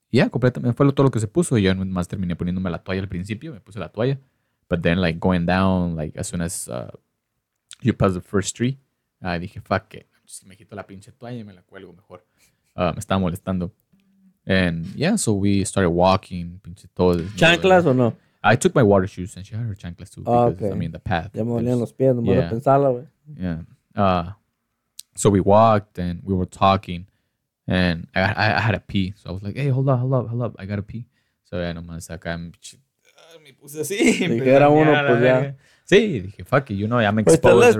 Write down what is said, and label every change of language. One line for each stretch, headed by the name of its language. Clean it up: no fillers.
Spanish: Completamente. Fue todo lo que se puso. Y yo nomás terminé poniéndome la toalla al principio. Me puse la toalla.
English: But then, like, going down, like, as soon as you pass the first tree, I
Spanish: dije,
English: fuck it.
Spanish: Just me quito la pinche toalla y me la cuelgo mejor. Me estaba molestando.
English: And, yeah, so we started walking,
Spanish: pinche todo. ¿Chanclas o no?
English: I took my water shoes and she had her chanclas too. Because, okay. I mean, the path.
Spanish: Ya me dolían los pies, no me voy a pensarla, güey.
English: Yeah. So we walked and we were talking and I had a pee. So I was like, hey, hold up. I got a pee.
Spanish: So yeah, no más acá me puse así. Dije, era uno, pues ya. Sí, dije,
English: fuck it, you know, I'm exposed already.